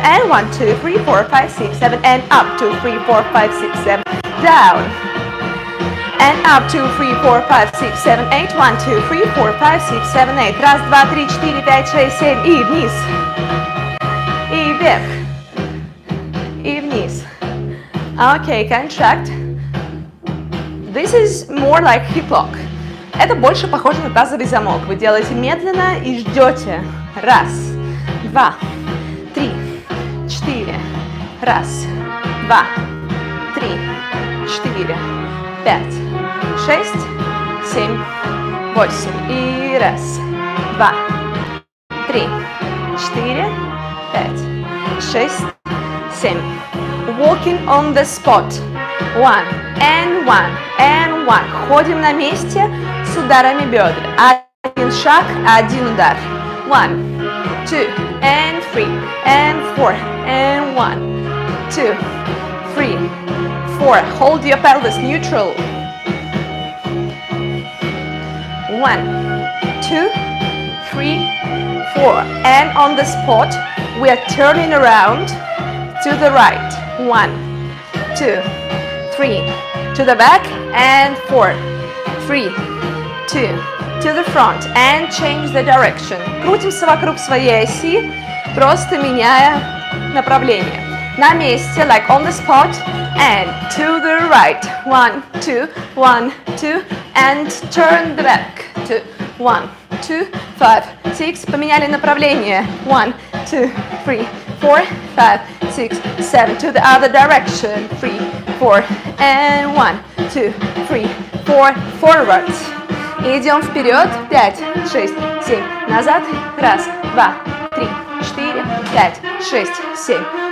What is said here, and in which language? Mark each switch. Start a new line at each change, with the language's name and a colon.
English: And one, two, three, four, five, six, seven. And up, two, three, four, five, six, seven. Down. And up, two, three, four, five, six, seven, eight. One, two, three, four, five, six, seven, eight.
Russian: Раз, два, три, четыре, пять, шесть, семь. И вниз. И вверх. И вниз.
English: Okay, contract. This is more like hip lock.
Russian: Это больше похоже на тазовый замок. Вы делаете медленно и ждете. Раз, два, три, четыре. Раз, два, три, четыре, пять, шесть, семь, восемь. И раз, два, три, четыре, пять, шесть, семь.
English: Walking on the spot. One and one and one.
Russian: Ходим на месте с ударами бедер. Один шаг, один удар.
English: One, two, and three, and four, and one, two, three, four. Hold your pelvis neutral. One, two, three, four. And on the spot, we are turning around to the right. One, two, three, to the back, and four, three, two, to the front, and change the direction.
Russian: Крутимся вокруг своей оси, просто меняя направление.
English: На месте, like on the spot, and to the right. One, two, and turn the back. Two, one, two, five, six. Поменяли направление. One, two, three, four, five, six, seven, to the other direction. Three, four, and one, two, three, four, forward.
Russian: Идем вперед. Пять, шесть, семь. Назад. Раз, два, три, четыре, пять, шесть, семь.